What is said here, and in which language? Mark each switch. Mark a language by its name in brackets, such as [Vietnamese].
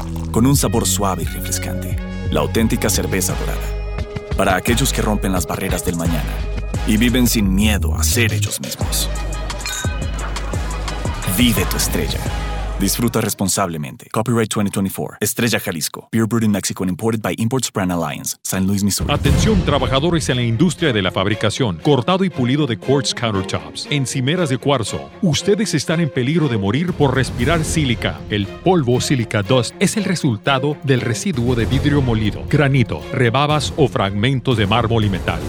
[Spanish] Con un sabor suave y refrescante. La auténtica cerveza dorada. Para aquellos que rompen las barreras del mañana y viven sin miedo a ser ellos mismos. Vive tu estrella. Disfruta responsablemente. Copyright 2024. Estrella Jalisco. [English] Beer brewed in Mexico and imported by Imports Brand Alliance. San Luis, Missouri. [Spanish] Atención, trabajadores en la industria de la fabricación, cortado y pulido de [English] quartz countertops, [Spanish] encimeras de cuarzo. Ustedes están en peligro de morir por respirar sílica. El polvo sílica dust es el resultado del residuo de vidrio molido, granito, rebabas o fragmentos de mármol y metal.